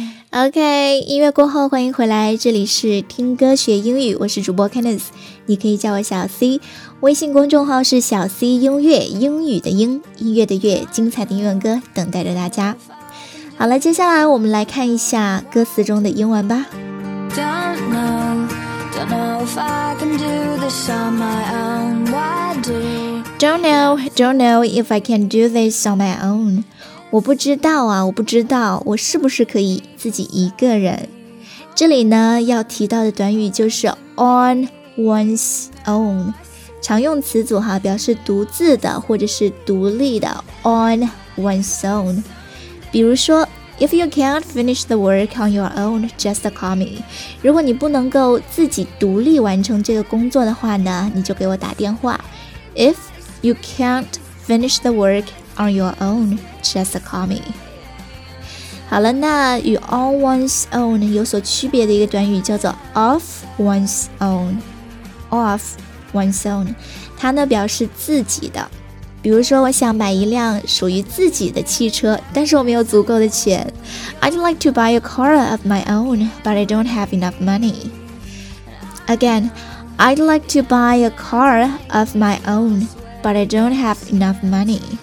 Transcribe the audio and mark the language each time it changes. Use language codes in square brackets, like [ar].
[zh] OK， 音乐过后欢迎回来，这里是听歌学英语，我是主播 Kenneth， 你可以叫我小 C， 微信公众号是小 C 音乐，英语的英，音乐的乐，精彩的英文歌等待着大家。好了，接下来我们来看一下歌词中的英文吧。 [en] Don't know, don't know if I can do this on my own, why do? Don't know, don't know if I can do this on my own. [zh] 我不知道啊，我不知道我是不是可以自己一个人。这里呢要提到的短语就是 on one's own，常用词组哈，表示独自的或者是独立的 on one's own。比如说 if you can't finish the work on your own just call me，如果你不能够自己独立完成这个工作的话呢，你就给我打电话。 [en] if you can't finish the workOn your own, just call me. [zh] 好了，那与 on one's own 有所区别的一个短语叫做 off one's own. Off one's own，它呢表示自己的。比如说，我想买一辆属于自己的汽车，但是我没有足够的钱。 [en] I'd like to buy a car of my own, but I don't have enough money. Again, I'd like to buy a car of my own, but I don't have enough money.